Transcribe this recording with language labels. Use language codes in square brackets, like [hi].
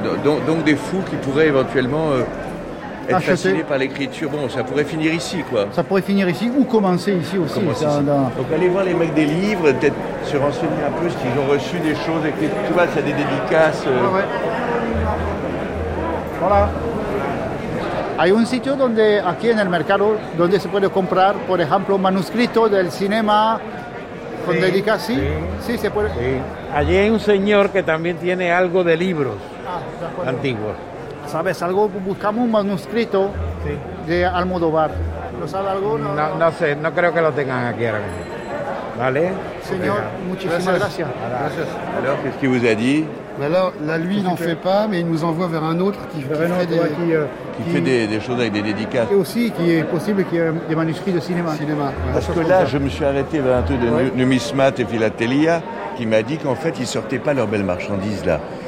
[fr] Donc des fous qui pourraient éventuellement être fascinés par l'écriture. Bon, ça pourrait finir ici, quoi. Ça pourrait finir ici ou commencer ici aussi. Donc aller voir les mecs des livres, peut-être se renseigner un peu ce qu'ils ont reçu des choses. Et que, tu vois, c'est des dédicaces. Voilà. [es] Hay un sitio donde, aquí en el mercado, donde se puede comprar, por ejemplo, un manuscrito del cinema con sí, dedicación. Sí, sí, se puede. Sí. Allí hay un señor que también tiene algo de libros antiguos. ¿Sabes algo? Buscamos un manuscrito de Almodóvar. ¿Lo sabe alguno? No sé, no creo que lo tengan aquí ahora mismo. ¿Vale? Señor, muchísimas gracias. [fr] Alors, qu'est-ce qu'il vous a dit? Alors, là, lui, il n'en fait pas, mais il nous envoie vers un autre qui fait des choses avec des dédicaces. Et aussi, qui est possible qu'il y ait des manuscrits de cinéma. Parce que là, je me suis arrêté vers un truc de numismate et philatélia, qui m'a dit qu'en fait, ils ne sortaient pas leurs belles marchandises, là.